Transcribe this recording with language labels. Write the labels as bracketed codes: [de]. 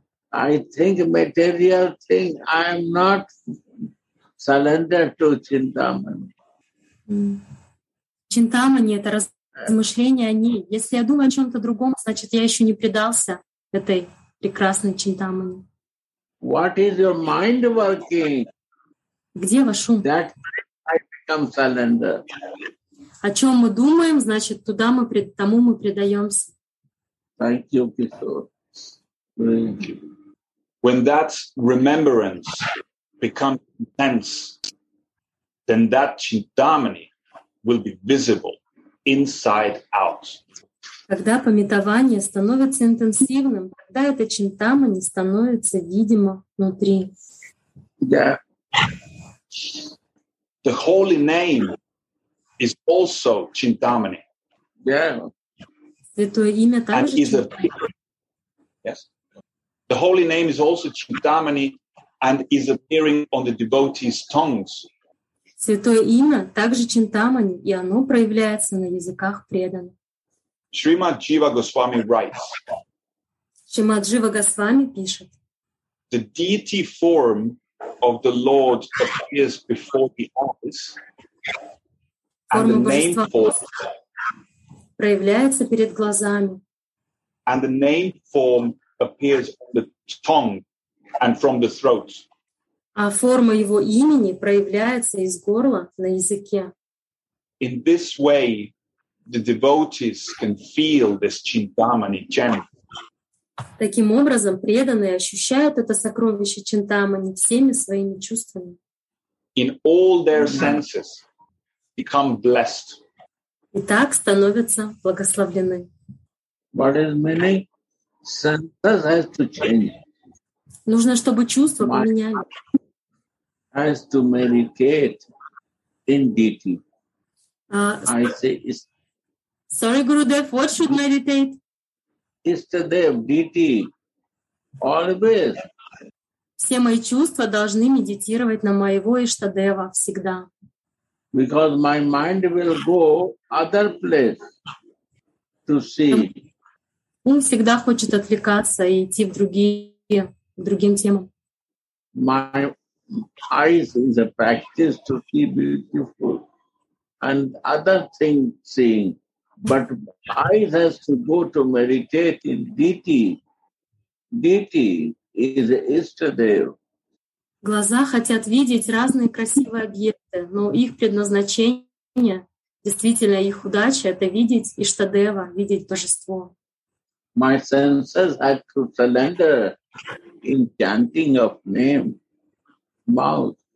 [en] I think material thing, I am not surrendered to чинтамани. [ru] Чинтамани — это размышление о ней. Если я думаю о чем-то другом, значит, я еще не предался этой прекрасной чинтамани. [en] What is your mind working? [ru] Где ваш ум? [en] That I become surrender. [ru] О чем мы думаем, значит, туда мы тому мы предаемся. [en] Thank you, Kishore. When that remembrance becomes intense, then that чинтамани will be visible inside out. [ru] Когда памятование становится интенсивным, тогда это чинтамани становится видимо внутри. [en] Yeah. The holy name is also чинтамани. Yeah. [ru] Святое имя также чинтамани. [en] Yes. The holy name is also чинтамани and is appearing on the devotees' tongues. [ru] Святое имя также чинтамани, и оно проявляется на языках преданных. [en] Шримад Джива Госвами writes. [ru] Шримад Джива Госвами пишет. [en] The deity form of the Lord appears before the eyes, and the name form [ru] проявляется перед глазами. [en] And the name form appears on the tongue and from the throat. [ru] А форма его имени проявляется из горла на языке. [en] In this way, the devotees can feel this чинтамани chant. [ru] Таким образом, преданные ощущают это сокровище чинтамани всеми своими чувствами. [en] In all their senses, become blessed. [ru] И так становятся благословлены. [en] What is meaning? Senses has to change. [ru] Нужно, чтобы чувства поменяли. [en] Has to meditate in deity. I say it's... Sorry, Gurudev, what should meditate? Yesterday of deity, always. [ru] Все мои чувства должны медитировать на моего Иштадева всегда. [en] Because my mind will go other place to see. [ru] Ум всегда хочет отвлекаться и идти в другие, к другим темам. [en] My eyes is a practice to see beautiful and other things seeing. But eyes has to go to meditate in deity. Deity. Is Ishtadev. [ru] Глаза хотят видеть разные красивые объекты, но их предназначение, действительно их удача, это видеть Иштадева, видеть Божество. [en] My senses had to surrender in chanting of name, mouth.